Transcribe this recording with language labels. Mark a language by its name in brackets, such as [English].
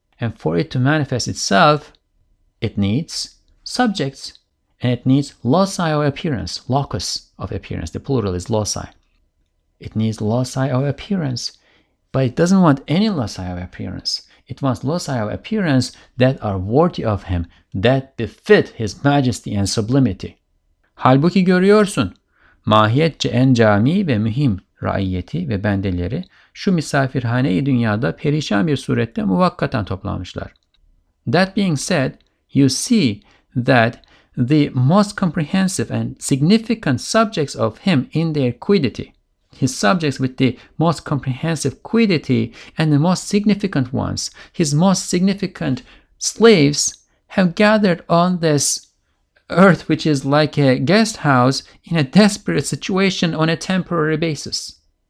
[English] And for it to manifest itself, it needs subjects and it needs loci or appearance, locus of appearance. The plural is loci. It needs loci or appearance, but it doesn't want any loci or appearance. It wants loci or appearance that are worthy of him, that befit his majesty and sublimity. [Turkish] Halbuki görüyorsun, mahiyetçe en cami ve mühim raiyeti ve bendeleri şu misafirhane-i dünyada perişan bir surette muvakkaten toplamışlar. [English] That being said, you see that the most comprehensive and significant subjects of him in their quiddity, his subjects with the most comprehensive quiddity and the most significant ones, his most significant slaves have gathered on this earth, which is like a guest house in a desperate situation on a temporary basis.